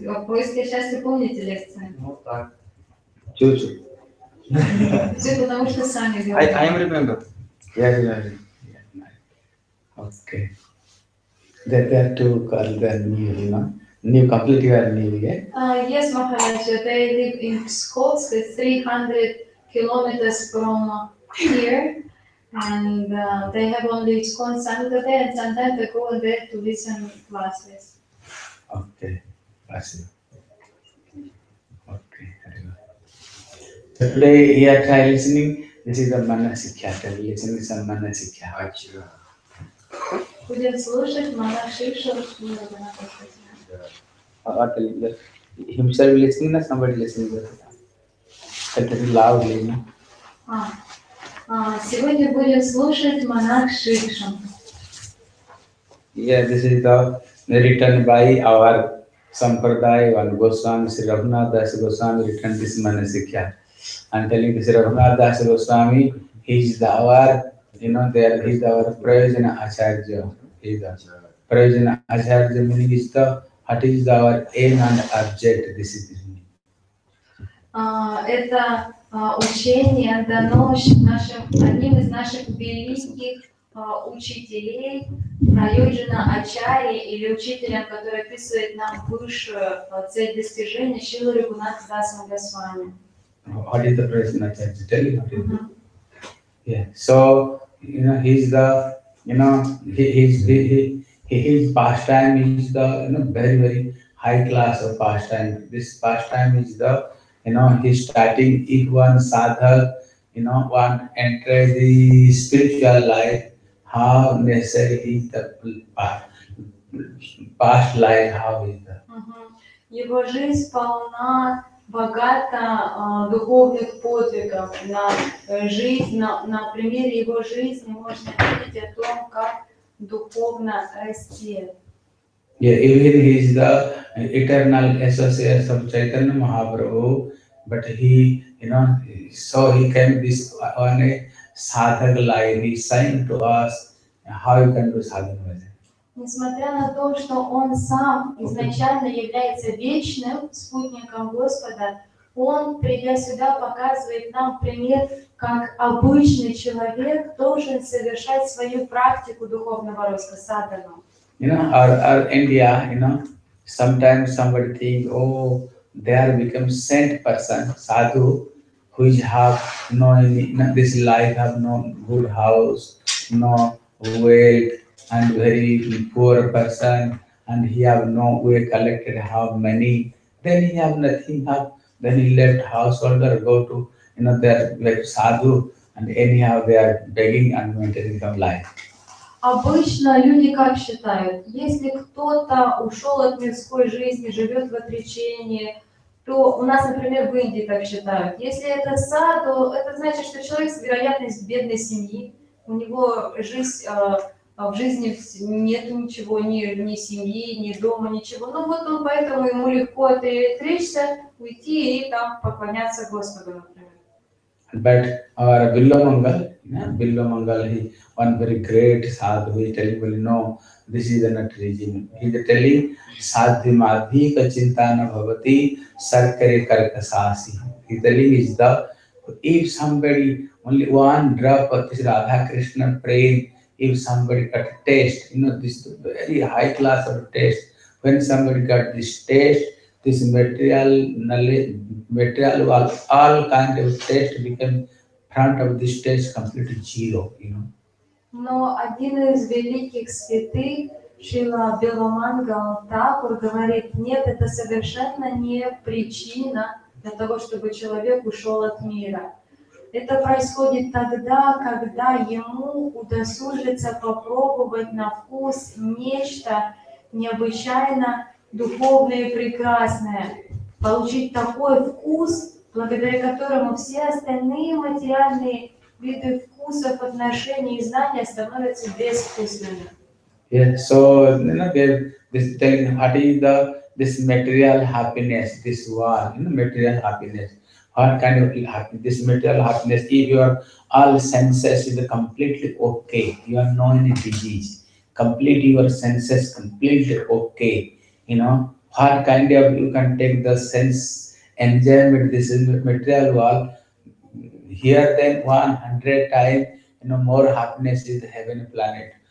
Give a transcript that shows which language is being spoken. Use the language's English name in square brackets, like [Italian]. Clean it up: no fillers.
[Russian] О поиске счастья помните лекции? Ну так. Чучу. Все потому что сами делали. [English] I remember. Yeah. Okay. There are two called the new, you know. New, completely new, yeah? Yes, Maharaj. They live in Skotsk, 300 kilometers from here. And they have only Skon Saturday and sometimes they go there to listen to classes. Okay, I see. Okay, very good. Today, here, listening. This is the Manasikya. Can you listen to some Manasikya? [Russian] Achira. Будем слушать Манашикшу. [English] Yeah. What are you doing? Himself listening or somebody listening? That is loud, you know? Ah. [Russian] Сегодня будем слушать Манашикшу. [English] Yeah, this is the... Written by our Sampradaya, one Goswami, Sri Raghunath Das Goswami, written this Manasikya. I'm telling Sri Raghunath Das Goswami, he is the our, you know, there is our Prayojana Acharya. He is the Prayojana Acharya, meaning is the, what is the our aim and object, this is the meaning. [Russian] Это учение дано одним из наших великих учителей Прайоджина Ачари или учителем, который описывает нам высшую цель достижения Шрила Рагунатха Даса Госвами. [English] What is the Прайоджина Ачари? Tell you what is it? Yeah. So, you know, he's the, you know, his pastime is the, you know, very, very high class of pastime. This pastime is the, you know, he's starting each one sadhak, you know, one enters the spiritual life. How necessary is the past life, how is the... [Russian] Его жизнь полна, богата духовных подвигов. На жизнь, на примере его жизни можно видеть о том, как духовно расти. [English] Yeah, even he is the eternal associate of Chaitanya Mahaprabhu, but he, you know, so he came this on a sadhak life, he sang to us, how you can do sadhana with it. [Russian] Несмотря на то, что он сам изначально является вечным спутником Господа, он, придя сюда, показывает нам пример, как обычный человек должен совершать свою практику духовного роста, садхану. [English] You know, our India, you know, sometimes somebody thinks, oh, they are become saint person, sadhu, who have no, this life have no good house, no wealth and very poor person, and he have no way collected how many. Then he have nothing. Then he left householder, go to, you know, their like sadhu, and anyhow they are begging and maintaining some life. [Russian] Обычно люди как считают, если кто-то ушел от мирской жизни, живет в отречении, то у нас, например, в Индии так считают. Если это садху, это значит, что человек с вероятностью бедной семьи. У него жизнь в жизни нет ничего, ни семьи, ни дома, ничего. Ну вот он поэтому ему легко отречься, уйти и там поклоняться Господу, например. [English] But our Billo Mangal, Billo Mangal, he one very great sadhu, he tells you, no, this is not reason. He is telling Sadhimadhi Kachintana Bhavati Sarkare Karkasasi. He telling is the if somebody only one drop of this Radha Krishna praying, if somebody got a taste, you know, this very high class of taste. When somebody got this taste, this material knowledge, material all kind of taste become front of this taste completely zero, you know. [Russian] Но один из великих святых, Шрила Беломанга, он так вот говорит, нет, это совершенно не причина для того, чтобы человек ушел от мира. Это происходит тогда, когда ему удосужится попробовать на вкус нечто необычайно духовное и прекрасное, получить такой вкус, благодаря которому все остальные материальные виды вкусов, отношений и знания становятся безвкусными. [English] Yeah, so you know, this thing, what is the this material happiness, this one, you know, material happiness. What kind of happiness, this material happiness, if your all senses is completely okay, you are not in a disease, complete your senses completely okay, you know, what kind of you can take the sense enjoyment, this is material world, here then 100 times, you know, more happiness is the heaven planet.